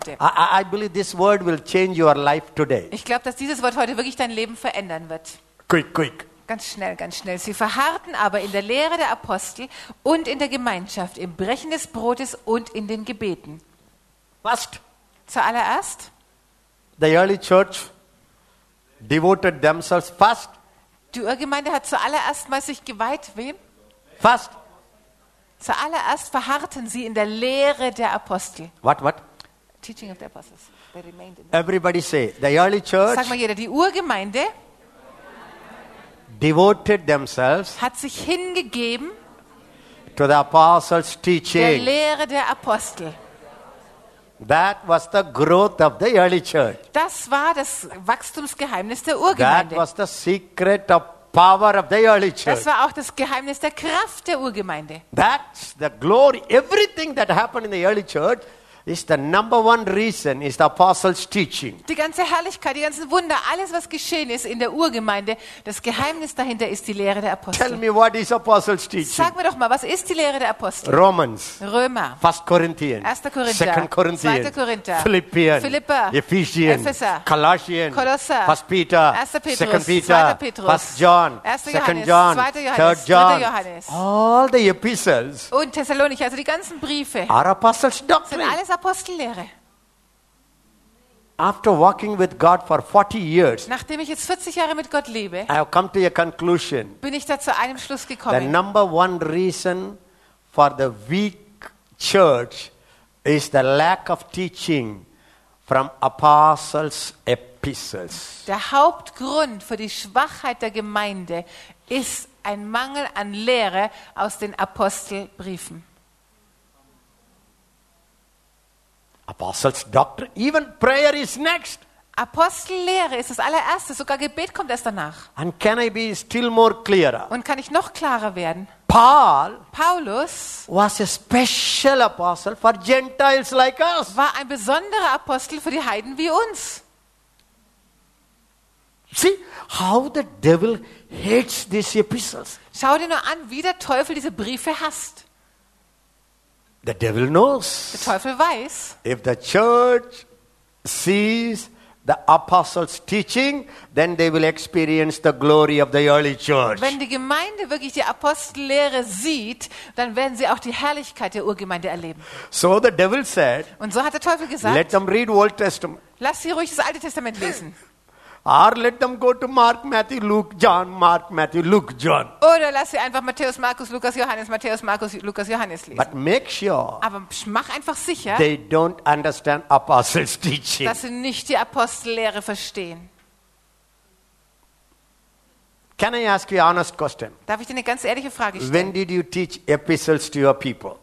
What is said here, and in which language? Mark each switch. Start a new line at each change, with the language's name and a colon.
English: I believe this word will change your life today.
German: Ich glaube, dass dieses Wort heute wirklich dein Leben verändern wird.
English: Quick, quick.
German: Ganz schnell. Sie verharrten aber in der Lehre der Apostel und in der Gemeinschaft, im Brechen des Brotes und in den Gebeten. Was? Zuallererst.
English: The early church devoted themselves first.
German: Die Urgemeinde hat zuallererst mal sich geweiht. Wem?
English: First.
German: Zuallererst verharrten sie in der Lehre der Apostel.
English: What? Teaching of the apostles. They remained in the... Everybody say, the early church.
German: Sag mal jeder, die Urgemeinde.
English: Devoted themselves,
German: hat sich hingegeben,
English: to the apostles' teaching,
German: der Lehre der Apostel.
English: That was the growth of the early church.
German: Das war das Wachstumsgeheimnis der Urgemeinde.
English: That was the secret of power of the early church.
German: Das war auch das Geheimnis der Kraft der Urgemeinde.
English: That's the glory. Everything that happened in the early church is the number one reason is the apostles' teaching.
German: Die ganze Herrlichkeit, die ganzen Wunder, alles was geschehen ist in der Urgemeinde, das Geheimnis dahinter ist die Lehre der Apostel.
English: Tell me what is apostles' teaching.
German: Sag mir doch mal, was ist die Lehre der Apostel?
English: Romans.
German: Römer.
English: 1. Korinthian.
German: 1. Korinther.
English: 2. Korinthian.
German: 2. Korinther.
English: Philippians.
German: Philippa.
English: Ephesians.
German: Epheser.
English: Colossians.
German: Kolosser.
English: 1. Peter.
German: 1. Petrus.
English: 2. Peter.
German: 2. Petrus.
English: 1. John.
German: 1. Johannes. 2. Johannes. 3. Johannes.
English: All the epistles.
German: Und Thessalonicher, also die ganzen Briefe.
English: Are apostles' doctrine.
German: Apostellehre.
English: After walking with God for 40 years,
German: nachdem ich jetzt 40 Jahre mit Gott lebe,
English: I have come to a conclusion.
German: Bin ich da zu einem Schluss gekommen.
English: The number one reason for the weak church is the lack of teaching from apostles' epistles.
German: Der Hauptgrund für die Schwachheit der Gemeinde ist ein Mangel an Lehre aus den Apostelbriefen.
English: Apostles' doctrine, even prayer is next.
German: Apostellehre ist das allererste, sogar Gebet kommt erst danach.
English: And can I be still more clearer?
German: Und kann ich noch klarer werden?
English: Paulus was a special apostle for Gentiles like us.
German: War ein besonderer Apostel für die Heiden wie uns.
English: See how the devil hates these epistles.
German: Schau dir nur an, wie der Teufel diese Briefe hasst.
English: The devil knows.
German: Der Teufel weiß.
English: If the church sees the apostles' teaching, then they will experience the glory of the early church.
German: Wenn die Gemeinde wirklich die Apostellehre sieht, dann werden sie auch die Herrlichkeit der Urgemeinde erleben.
English: So the devil said.
German: Und so hat der Teufel gesagt.
English: Let them read Old Testament.
German: Lass sie ruhig das Alte Testament lesen.
English: Or let them go to Mark, Matthew, Luke, John, Mark, Matthew, Luke, John.
German: Oder lass sie einfach Matthäus, Markus, Lukas, Johannes, Matthäus, Markus, Lukas, Johannes lesen.
English: But make sure.
German: Aber mach einfach sicher.
English: They don't understand apostles' teaching.
German: Dass sie nicht die Apostellehre verstehen.
English: Can I ask you an honest question?
German: Darf ich dir eine ganz ehrliche Frage stellen?
English: When did you teach epistles to your people?